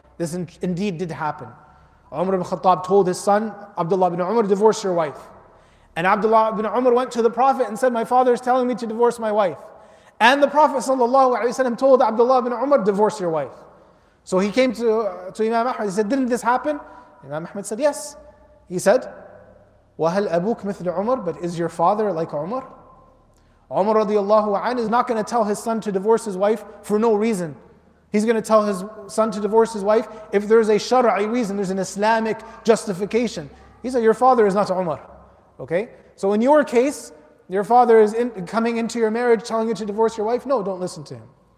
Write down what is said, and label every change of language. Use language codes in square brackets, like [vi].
[en] This indeed did happen. Umar ibn Khattab told his son, Abdullah ibn Umar, divorce your wife. And Abdullah ibn Umar went to the Prophet and said, my father is telling me to divorce my wife. And the Prophet ﷺ told Abdullah ibn Umar, divorce your wife. So he came to Imam Ahmad, he said, didn't this happen? Imam Ahmad said, yes. He said, [ar] وَهَلْ أَبُوكَ مِثْلُ عُمَرٍ. [en] But is your father like Umar? Umar radiallahu anhu is not going to tell his son to divorce his wife for no reason. He's going to tell his son to divorce his wife if there's a shara'i reason, there's an Islamic justification. He said, your father is not Umar. Okay? So in your case, your father is coming into your marriage telling you to divorce your wife? No, don't listen to him.